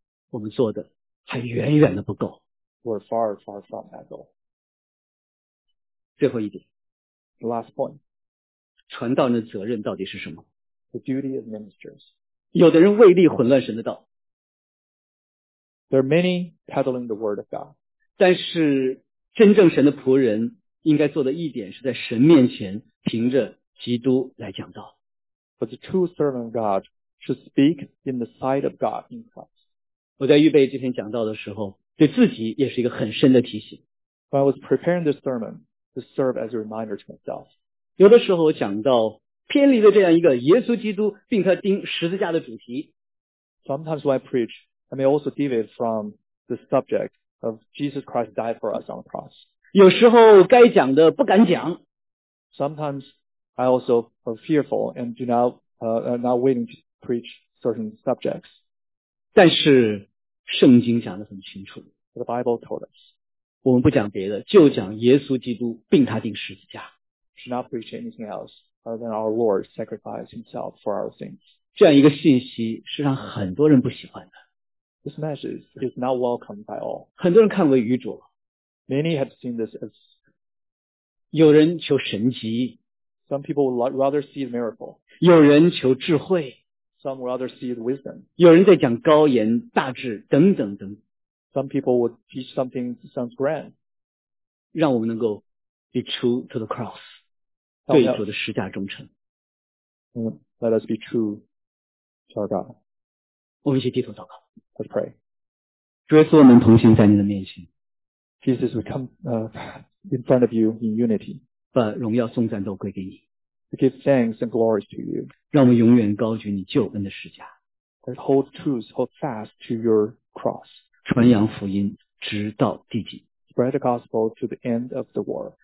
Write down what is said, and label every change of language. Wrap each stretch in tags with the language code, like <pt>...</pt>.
<zh>我们做的还远远的不够。</zh> <en>We're far, far from that goal.</en> <zh>最后一点。</zh> <en>The last point.</en> <zh>传道的责任到底是什么？</zh> <en>The duty of ministers.</en> <zh>有的人为利混乱神的道。</zh> <en>There are many peddling the word of God.</en> <zh>但是真正神的仆人应该做的一点是在神面前凭着基督来讲道。</zh> <en>But the true servant of God should speak in the sight of God in Christ.</en> <zh>我在预备这篇讲道的时候，对自己也是一个很深的提醒。</zh> <en>When I was preparing this sermon to serve as a reminder to myself.</en> <zh>有的时候讲到偏离了这样一个耶稣基督并他钉十字架的主题。</zh> <en>Sometimes when I preach, I may also deviate from the subject. Of Jesus Christ died for us on the cross.</en> <zh>有时候该讲的不敢讲。</zh> <en>Sometimes I also are fearful and do not, not willing to preach certain subjects.</en> <zh>但是圣经讲得很清楚。</zh> <en>The Bible told us.</en> <zh>我们不讲别的，就讲耶稣基督并他钉十字架。</zh> <en>Should not preach anything else other than our Lord sacrificed himself for our sins.</en> <zh>这样一个信息是让很多人不喜欢的。</zh> <en>This message is not welcomed by all.</en> <zh>很多人看为愚拙。</zh> <en>Many have seen this as.</en> <zh>有人求神迹。</zh> <en>Some people would rather see a miracle.</en> <zh>有人求智慧。</zh> <en>Some would rather see the wisdom.</en> <zh>有人在讲高言大智等等等。</zh> <en>Some people would teach something that sounds grand.</en> <zh>让我们能够</zh> <en>be true to the cross.</en> <zh>对主的十架忠诚。</zh> <en>Let us be true to our God.</en> <zh>我们一起低头祷告。</zh> <en>Let's pray.</en> <zh>主耶稣，我们同心在你的面前。</zh> <en>Jesus, we come, in front of you in unity.</en> <zh>把荣耀颂赞都归给你。</zh> <en>We give thanks and glories to you.</en> <zh>让我们永远高举你救恩的十架。</zh> <en>Let's hold truth, hold fast to your cross.</en> <zh>传扬福音直到地极。</zh> <en>Spread the gospel to the end of the world.</en>